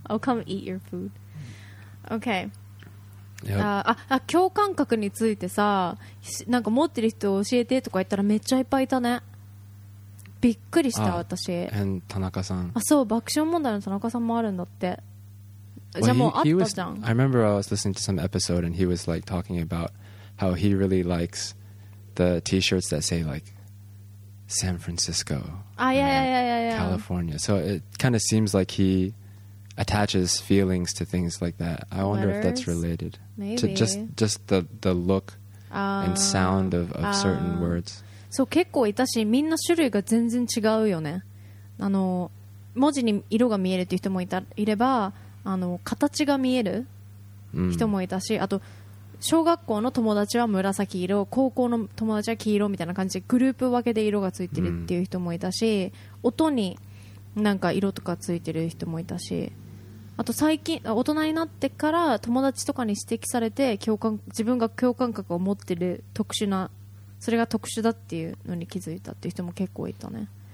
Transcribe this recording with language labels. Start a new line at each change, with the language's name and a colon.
English: I'll come eat your food. Okay.
Japanese: 共感覚についてさ、なんか持ってる人教えてとか言ったらめっちゃいっぱいいたね。びっくりした私。田中さん。あ、そう、爆笑問題の田中さんもあるんだって。じゃあもうあったじゃん。
English: I remember I was listening to some episode and he was like talking about how he really likes the T-shirts that say like San Francisco, California. So it kind of seems like he attaches feelings to things like that. I wonder if that's related to just the look and sound of certain words.
Japanese: そう結構いたしみんな種類が全然違うよねあの文字に色が見えるっていう人もいればあの形が見える人もいたし、あと小学校の友達は紫色、高校の友達は黄色みたいな感じでグループ分けで色がついてるっていう人もいたし、うん、音になんか色とかついてる人もいたし、あと最近大人になってから友達とかに指摘されて共感、自分が共感覚を持ってる特殊な、それが特殊だっていうのに気づいたっていう人も結構いたね。